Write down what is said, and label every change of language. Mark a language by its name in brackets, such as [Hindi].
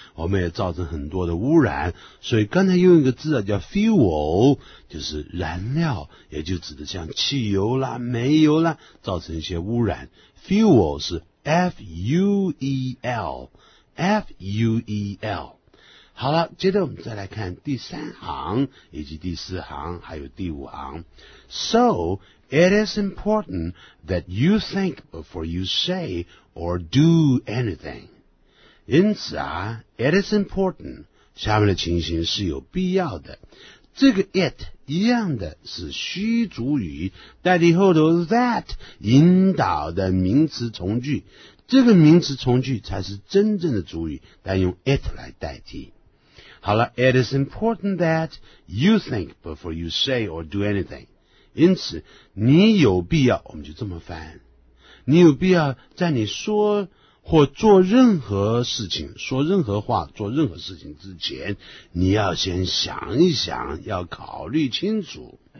[Chinese] 我们也造成很多的污染。所以刚才用一个字、叫 fuel, 就是燃料，也就指的像汽油啦、煤油啦，造成一些污染。 [English] Fuel 是 F-U-E-L, F-U-E-L. [Chinese] 好了，接着我们再来看第三行以及第四行还有第五行。 [English] So, it is important that you think before you say or do anything. [Chinese] 因此啊 [English] it is important, [Chinese] 下面的情形是有必要的。这个 it 一样的是虚主语代替后头 that 引导的名词从句。这个名词从句才是真正的主语但用 it 来代替。好了 [English] it is important that you think before you say or do anything. [Chinese] 因此你有必要我们就这么翻。你有必要在你说或做任何事情说任何话做任何事情之前你要先想一想要考虑清楚。